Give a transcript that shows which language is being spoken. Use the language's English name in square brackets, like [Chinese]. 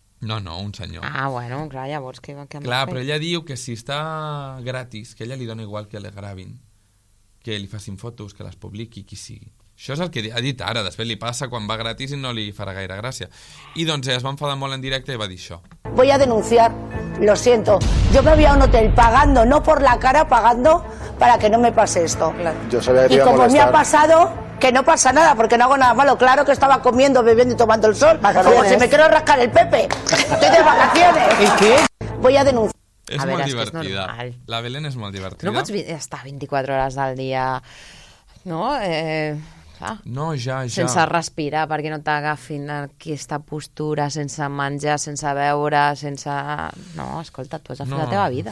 [Catalan] No, un senyor. Ah, bueno, clar, llavors què han de fer? Clar, però ella diu que si està gratis, que ella li dona igual que la gravin, que li facin fotos, que les publiqui, qui sigui. Això és el que ha dit ara, després li passa quan va gratis i no li farà gaire gràcia. I doncs es va enfadar molt en directe i va dir això. [Spanish] Voy a denunciar, lo siento. Yo me voy a un hotel pagando, no por la cara, pagando para que no me pase esto. Yo sabía que y iba como a molestar. Me ha pasado, que no pasa nada, porque no hago nada malo. Claro que estaba comiendo, bebiendo y tomando el sol. Como si me quiero rascar el pepe. Estoy de vacaciones. ¿Y qué? Voy a denunciar. [Catalan] És a molt divertida. És la Belén és molt divertida. No pots estar 24 hores al dia, no? No, ja. Sense respirar, perquè no t'agafin aquesta postura, sense menjar, sense beure, sense... No, escolta, tu has de fer la teva vida.